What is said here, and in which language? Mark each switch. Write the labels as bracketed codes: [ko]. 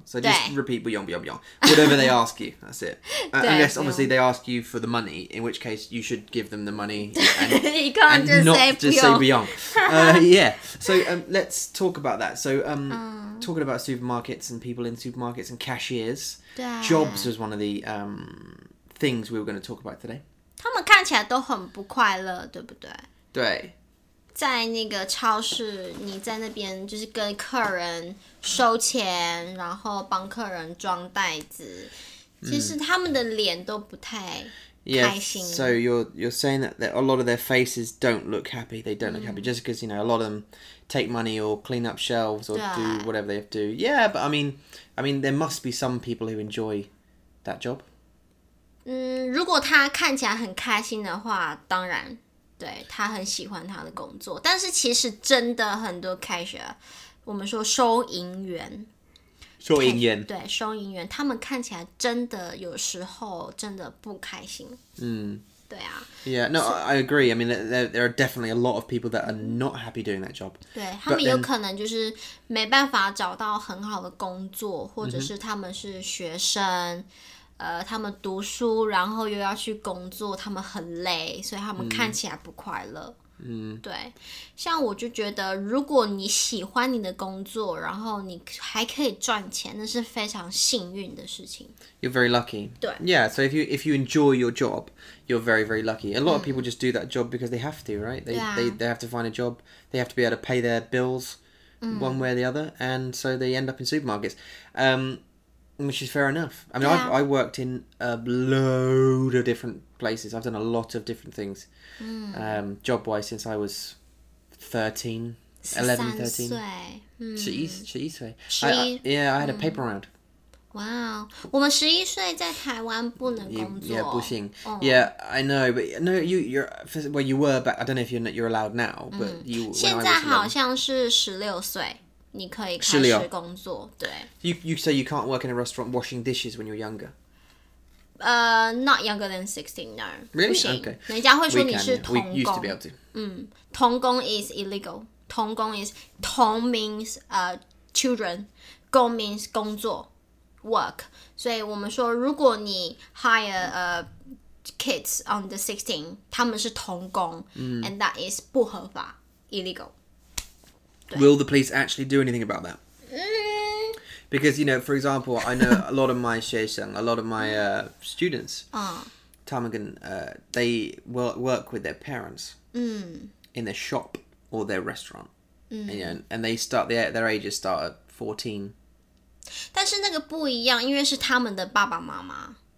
[en] So just repeat [zh] 不用不用不用 [en] Whatever they ask you, that's it. unless, obviously, they ask you for the money, in which case you should give them the money. And, you can't and just, not say just say [zh] 不用 [en] yeah. So、let's talk about that. So、talking about supermarkets and people in supermarkets and cashiers. Jobs was one of the things we were going to talk about today. [zh] 他们看起来都很不快乐，对不对？对。在那个超市，你在那边就是跟客人收钱，然后帮客人装袋子。其实他们的脸都不太开心。 [en] Yeah, so you're saying that a lot of their faces don't look happy. They don't look happy just because, you know, a lot of them take money or clean up shelves or do whatever they have to do. Yeah, but I mean, there must be some people who enjoy that job. [zh] 嗯，如果他看起来很开心的话，当然，对，他很喜欢他的工作。但是其实真的很多 cashier， 我们说收银员，收银员，对，收银员，他们看起来真的有时候真的不开心。嗯，对啊。 [en] Yeah, no, I agree. I mean, there are definitely a lot of people that are not happy doing that job. [zh] 对，他们有可能就是没办法找到很好的工作，或者是他们是学生，他们读书，然后又要去工作，他们很累，所以他们看起来不快乐。对，像我就觉得如果你喜欢你的工作，然后你还可以赚钱，那是非常幸运的事情。 [en] You're very lucky. [zh] 对， [en] Yeah, so if you enjoy your job, you're very very lucky. A lot of people just do that job because they have to, right? They have to find a job. They have to be able to pay their bills one way or the other, and so they end up in supermarkets. Which is fair enough. I mean, yeah. I worked in a load of different places. I've done a lot of different things, job-wise, since I was 13, 11, 13. [zh] 13岁.11岁. [en] Yeah, I had a paper round. Wow. [zh] 我们11岁在台湾不能工作。 [en] Yeah, [zh] 不行. [en] Oh. Yeah, I know. But no, you were, but I don't know if you're allowed now, but you... [zh] 现在好像是16岁。你可以开始工作，对。 [en] You say you can't work in a restaurant washing dishes when you're younger. Not younger than 16, no. Really? Okay. [zh] 人家会说你是童工。 [en] We used to be able to. 童工 is illegal. 童工 is 童 means children. [zh] 工 [en] means [zh] 工作 [en] work. [zh] 所以我们说，如果你 [en] hire kids under 16, [zh] 他们是童工 [en] and that is [zh] 不合法 [en] illegal. Will the police actually do anything about that? Because, you know, for example, I know a lot of my 学生, a lot of my students, Tamagan, they work with their parents in their shop or their restaurant. And they start, their ages start at 14. [zh] 但是那个不一样，因为是他们的爸爸妈妈。